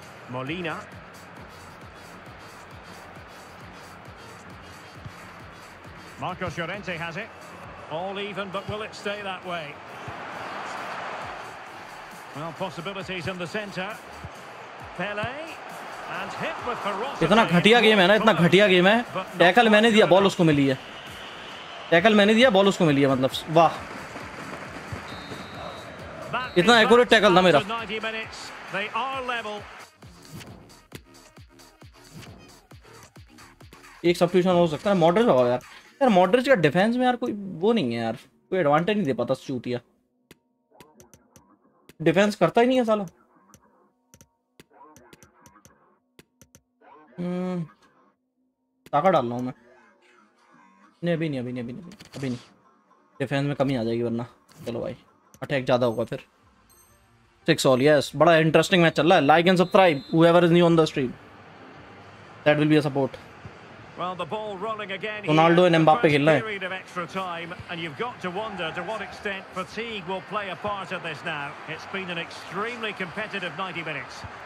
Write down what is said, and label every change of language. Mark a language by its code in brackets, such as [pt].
[en] Molina. Marcos Llorente has it. All even, but will it stay that way? Well, possibilities in the center. Pele. And hit with ferocity. [hi] इतना घटिया game है ना, इतना घटिया game है. Tackle मैंने दिया, बॉल उसको मिली है. टैकल मैंने दिया, बॉल उसको मिली है. मतलब वाह, इतना एक्यूरेट टैकल था मेरा. एक सब्स्टिट्यूशन हो सकता है. मॉड्रिच लगाओ यार. यार मॉड्रिच का डिफेंस में यार कोई वो नहीं है यार, कोई एडवांटेज नहीं दे पाता चूतिया. डिफेंस करता ही नहीं है साला. ताका डाल रहा हूँ मैं. नहीं अभी नहीं, अभी नहीं, अभी नहीं, अभी नहीं. डिफेंस में कमी आ जाएगी वरना. चलो भाई, अटैक ज़्यादा होगा फिर. Six all. यस, बड़ा इंटरेस्टिंग मैच चल रहा है. [en] Like and subscribe whoever is new on the stream, that will be a support. Well, the ball rolling again. [hi] Ronaldo and Mbappe khel rahe hain. [en] Extra time, and you've got to wonder to what extent fatigue will play a part of this now. It's been an extremely competitive 90 minutes.